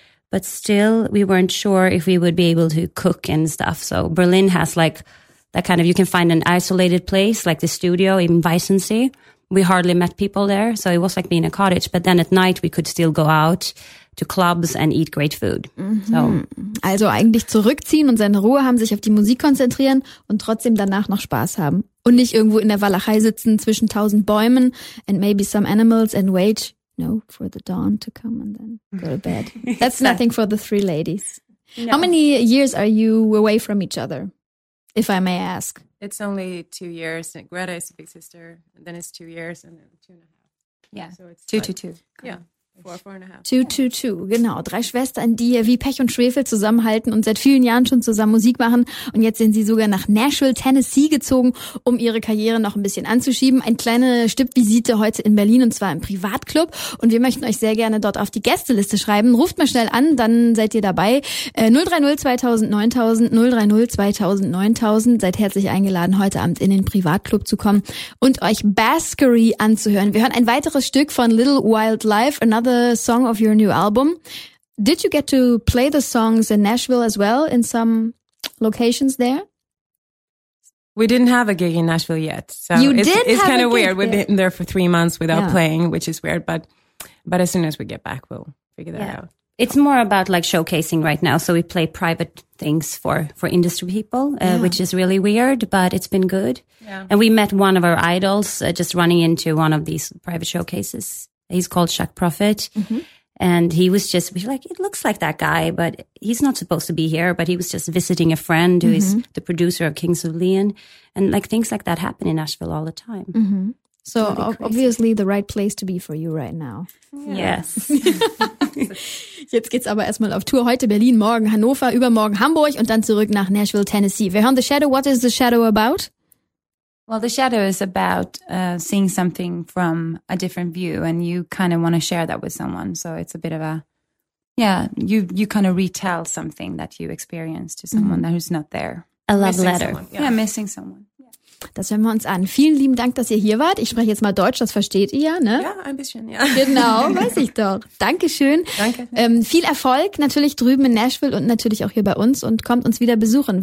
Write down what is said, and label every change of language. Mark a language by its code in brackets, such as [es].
[en] But still, we weren't sure if we would be able to cook and stuff. So Berlin has like that kind of, you can find an isolated place, like the studio in Weissensee. We hardly met people there. So it was like being a cottage. But then at night, we could still go out to clubs and eat great food. Mm-hmm. So. [de] Also eigentlich zurückziehen und seine Ruhe haben, sich auf die Musik konzentrieren und trotzdem danach noch Spaß haben. Und nicht irgendwo in der Walachei sitzen zwischen 1000 Bäumen [en] and maybe some animals and wait. No, for the dawn to come and then go to bed. That's nothing for the three ladies. No. How many years are you away from each other, if I may ask? It's only 2 years. Greta is a big sister. And then it's 2 years and then 2.5. Yeah, so it's two. Yeah, four and a half. Two. [de] Genau, drei Schwestern, die wie Pech und Schwefel zusammenhalten und seit vielen Jahren schon zusammen Musik machen. Und jetzt sind sie sogar nach Nashville, Tennessee gezogen, um ihre Karriere noch ein bisschen anzuschieben. Ein kleine Stippvisite heute in Berlin und zwar im Privatclub. Und wir möchten euch sehr gerne dort auf die Gästeliste schreiben. Ruft mal schnell an, dann seid ihr dabei. 030-2000-9000, 030-2000-9000. Seid herzlich eingeladen, heute Abend in den Privatclub zu kommen und euch Baskery anzuhören. Wir hören ein weiteres Stück von Little Wild Life, [en] another song of your new album. Did you get to play the songs in Nashville as well in some locations there? We didn't have a gig in Nashville yet. So you it's, did it's have kinda a weird. We've been there for 3 months without playing, which is weird, but as soon as we get back we'll figure that out. It's more about like showcasing right now. So we play private things for industry people, which is really weird, but it's been good. Yeah. And we met one of our idols just running into one of these private showcases. He's called Chuck Prophet. Mm-hmm. And he was just, we were like, it looks like that guy, but he's not supposed to be here. But he was just visiting a friend who is the producer of Kings of Leon. And like things like that happen in Nashville all the time. Mm-hmm. So obviously the right place to be for you right now. Yeah. Yes. [de] Jetzt geht's aber erstmal auf Tour. Heute Berlin, morgen Hannover, übermorgen Hamburg und dann zurück nach Nashville, Tennessee. Wir hören [en] The Shadow. What is The Shadow about? Well, The Shadow is about seeing something from a different view and you kind of want to share that with someone. So it's a bit of a, you kind of retell something that you experienced to someone who's not there. A love letter. Yeah, missing someone. [de] Das hören wir uns an. Vielen lieben Dank, dass ihr hier wart. Ich spreche jetzt mal Deutsch, das versteht ihr ja, ne? Ja, ein bisschen, ja. Genau, weiß ich doch. Dankeschön. Danke. Viel Erfolg natürlich drüben in Nashville und natürlich auch hier bei uns und kommt uns wieder besuchen.